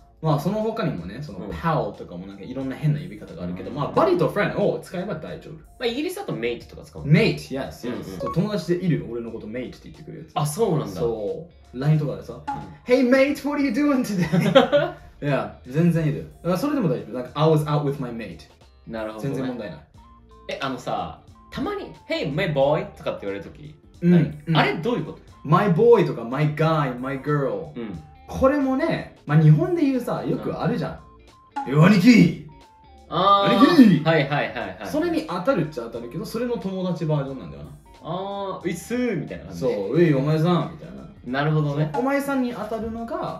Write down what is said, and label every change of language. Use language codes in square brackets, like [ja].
[ja] まあその他にもね、その pal とかもなんかいろんな変な呼び方があるけど、うん、まあ buddy と friend を使えば大丈夫。まあイギリスだと mate とか使う。 mate、 [en] yes、 yes、 [ja] うん、友達でいる俺のこと mate って言ってくるやつ。あ、そうなんだ。そう、 LINE とかでさ、うん、 [en] Hey mate, what are you doing today? [ja] いや、全然いる。だからそれでも大丈夫。 [en] Like, I was out with my mate。 [ja] なるほど、ね、全然問題ない。え、あのさ、たまに [en] Hey, my boy [ja] とかって言われるとき、うん、あれどういうこと？ [en] My boy とか My guy, my girl、 [ja] うん、これもね、まあ、日本で言うさ、よくあるじゃん。兄貴、あ、兄貴、はいはいはいはい。それに当たるっちゃ当たるけど、それの友達バージョンなんだよな。あー、ういっすーみたいな感じ。そう、うい、お前さんみたいな。なるほどね。お前さんに当たるのが、